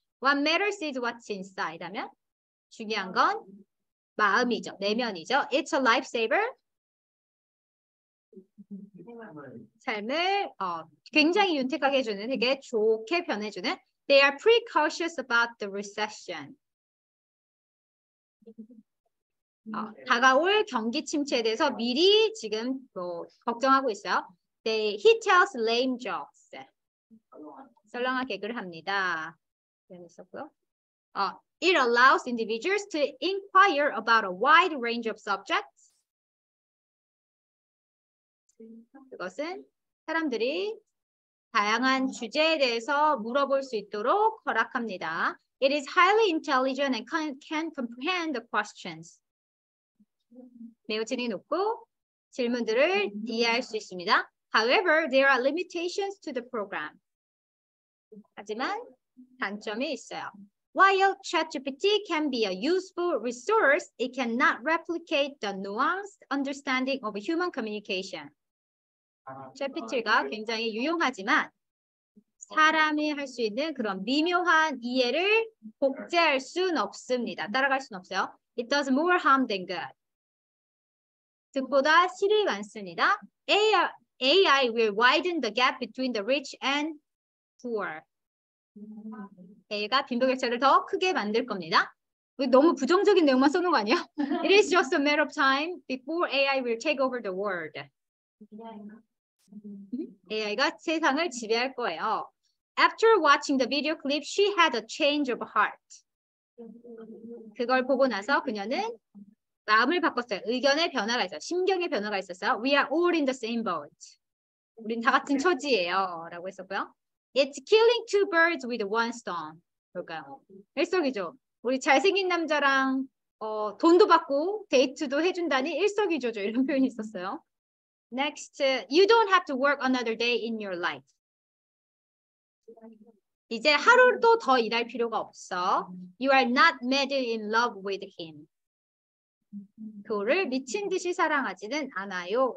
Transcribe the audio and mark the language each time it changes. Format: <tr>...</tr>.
<en>What matters is what's inside</en> <ko>하면 중요한 건 마음이죠. 내면이죠.</ko> <en>It's a lifesaver.</en> <ko>삶을 굉장히 윤택하게 해주는, 되게 좋게 변해주는.</ko> <en>They are pretty cautious about the recession.</en> <ko>다가올 경기 침체에 대해서 미리 지금 뭐 걱정하고 있어요.</ko> <en>He tells lame jokes.</en> <ko>썰렁한 개그를 합니다. 재밌었고요.</ko> <en>It allows individuals to inquire about a wide range of subjects.</en> <ko>그것은 사람들이 다양한 주제에 대해서 물어볼 수 있도록 허락합니다.</ko> <en>It is highly intelligent and can comprehend the questions.</en> <ko>매우 지능이 높고 질문들을 이해할 수 있습니다.</ko> <en>However, there are limitations to the program.</en> <ko>하지만 단점이 있어요.</ko> <en>While ChatGPT can be a useful resource, it cannot replicate the nuanced understanding of human communication.</en> <ko>GPT가 굉장히 유용하지만 사람이 할수 있는 그런 미묘한 이해를 복제할 순 없습니다. 따라갈 순 없어요.</ko> <en>It does more harm than good.</en> <ko>득보다 실이 많습니다.</ko> <en>AI will widen the gap between the rich and poor.</en> <ko>AI가 빈부격차를 더 크게 만들 겁니다. 너무 부정적인 내용만 쓰는 거 아니야?</ko> <en>It is just a matter of time before AI will take over the world.</en> <ko>AI가 세상을 지배할 거예요.</ko> <en>After watching the video clip, she had a change of heart.</en> <ko>그걸 보고 나서 그녀는 마음을 바꿨어요. 의견의 변화가 있어요. 심경의 변화가 있었어요.</ko> <en>We are all in the same boat.</en> <ko>우린 다 같은 처지예요. 라고 했었고요.</ko> <en>It's killing two birds with one stone.</en> <ko>볼까요? 일석이조. 우리 잘생긴 남자랑 돈도 받고 데이트도 해준다니 일석이조죠. 이런 표현이 있었어요.</ko> <en>Next, you don't have to work another day in your life.</en> <ko>이제 하루도 더 일할 필요가 없어.</ko> <en>You are not madly in love with him.</en> <ko>그를 미친 듯이 사랑하지는 않아요.</ko>